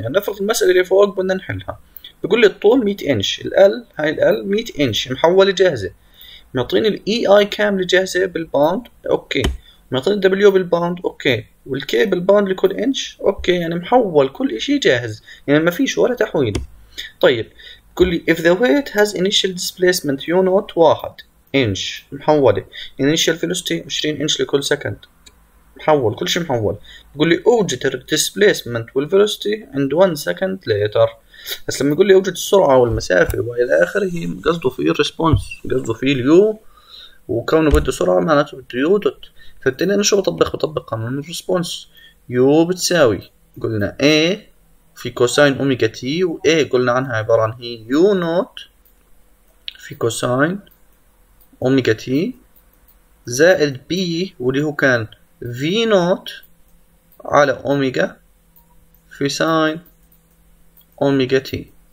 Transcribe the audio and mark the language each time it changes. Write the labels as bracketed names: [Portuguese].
[Arabic] يعني نفرض المساله اللي فوق بدنا نحلها. بيقول لي الطول 100 انش، ال هاي ال 100 انش محوله جاهزه، معطيني الاي اي كامل جاهزه بالباوند اوكي، معطيني الدبليو بالباوند اوكي، والكي بالباوند لكل انش اوكي. يعني محول كل شيء جاهز، يعني ما فيش ولا تحويل. [English] طيب [Arabic] بيقول لي [English] if the weight has initial displacement u naught 1 inch محولة، initial velocity 20 inch لكل second محول، [Arabic] كل شيء محول. بيقول لي اوجد displacement والvelocity عند 1 second later. بس لما يقول لي اوجد السرعة والمسافة والى اخره، قصده في response، قصده في ال u، وكونه بده سرعة معناته بده u dot. فبالتالي انا شو بطبق؟ بطبق قانون ال response. u بتساوي قلنا a في كوساين اوميجا تي، و A قلنا عنها عبارة عن هي يو نوت في كوساين اوميجا تي زائد B واللي هو كان في نوت على اوميجا في ساين اوميجا تي.